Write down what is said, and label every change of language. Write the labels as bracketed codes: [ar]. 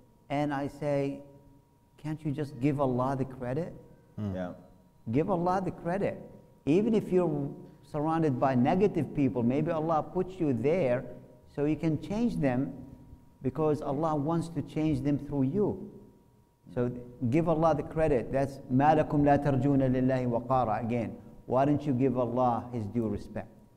[en] And I say, can't you just give Allah the credit? Mm. Yeah. Give Allah the credit. Even if you're surrounded by negative people, maybe Allah puts you there so you can change them because Allah wants to change them through you. So give Allah the credit. That's [ar] مَا لَكُمْ لَا تَرْجُونَ لِلَّهِ وَقَارًا. [en] Again, why don't you give Allah His due respect?